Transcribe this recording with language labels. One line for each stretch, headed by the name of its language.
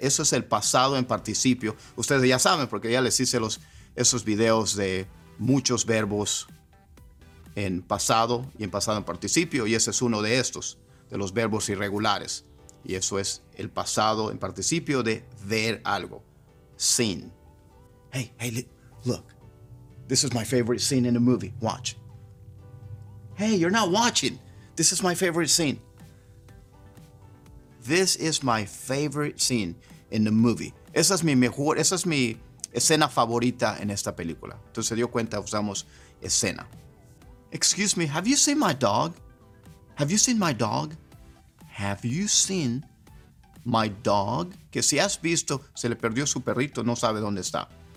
Spanish: Eso es el pasado en participio. Ustedes ya saben porque ya les hice esos videos de muchos verbos en pasado y en pasado en participio. Y ese es uno de estos, de los verbos irregulares. Y eso es el pasado en participio de ver algo.
English: Seen. Hey, look. This is my favorite scene in a movie. Watch. Hey, you're not watching. This is my favorite scene. This is my favorite scene in the movie.
Spanish: Esa es mi escena favorita en esta película. Entonces se dio cuenta, usamos escena.
English: Excuse me, have you seen my dog? Have you seen my dog? Have you seen my dog?
Spanish: Que si has visto, se le perdió su perrito, no sabe dónde está.